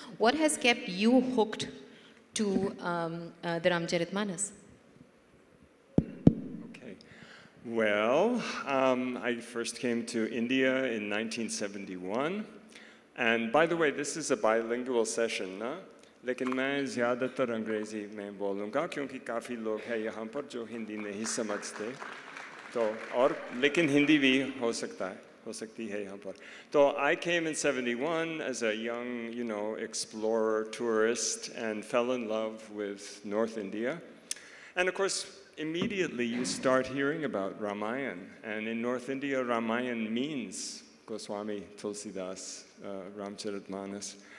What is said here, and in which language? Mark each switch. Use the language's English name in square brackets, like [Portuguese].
[English] What has kept you hooked to the Ramcharitmanas? Okay. Well, I first came to India in 1971. And by the way, this is a bilingual session, na? [Hindi] लेकिन मैं ज़्यादातर अंग्रेज़ी में बोलूँगा, क्योंकि काफ़ी लोग है यहाँ पर जो हिंदी नहीं समझते. So, or, लेकिन हिंदी भी हो सकता है, हो सकती है यहाँ पर. [English] So I came in 71 as a young, you know, explorer, tourist, and fell in love with North India. And of course, immediately you start hearing about Ramayana. And in North India, Ramayana means Goswami Tulsidas, Ramcharitmanas.